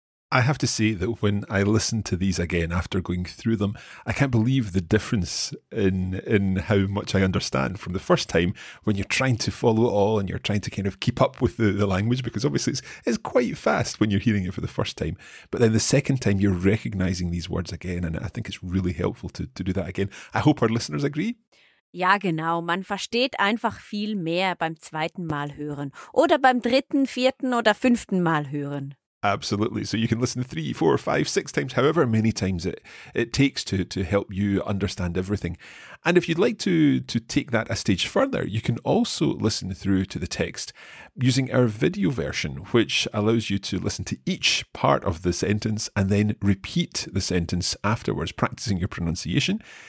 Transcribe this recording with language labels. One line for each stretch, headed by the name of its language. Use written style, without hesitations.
English: I have to say that when I listen to these again after going through them, I can't believe the difference in how much I understand from the first time when you're trying to follow it all and you're trying to kind of keep up with the language, because obviously it's quite fast when you're hearing it for the first time. But then the second time you're recognizing these words again, and I think it's really helpful to do that again. I hope our listeners agree.
German: Ja, genau. Man versteht einfach viel mehr beim zweiten Mal hören oder beim dritten, vierten oder fünften Mal hören.
English: Absolutely. So you can listen 3, 4, 5, 6 times, however many times it takes to help you understand everything. And if you'd like to take that a stage further, you can also listen through to the text using our video version, which allows you to listen to each part of the sentence and then repeat the sentence afterwards, practicing your pronunciation.